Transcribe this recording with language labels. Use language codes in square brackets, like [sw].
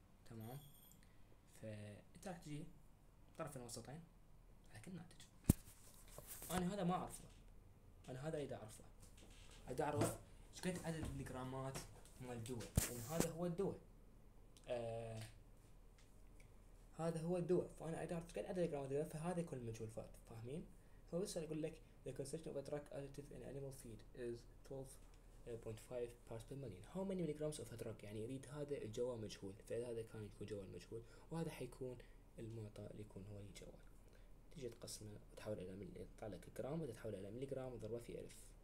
[ar] تمام فانت راح تجي طرف الوسطين على كل ناتج. انا هذا ما اعرفه انا هذا اريد اعرفه اريد اعرف ايش قد عدد الجرامات من الدواء لان هذا هو الدواء هذا هو الدواء فانا اريد اعرف ايش قد عدد الجرامات الدواء فهذا يكون المجهول. فاهمين هو بس اقول لك [en] the concentration of a drug additive in animal feed is 12.5 parts per million. How many milligrams of a drug? [ar] يعني يريد هذا الجوا مجهول. فإذا هذا كان يكون جوا مجهول وهذا حيكون المعطى اللي يكون هو الجوا. تيجي تقسمه وتحول إلى ملي يطلع لك جرام وتحول إلى ملي جرام وضربه في ألف.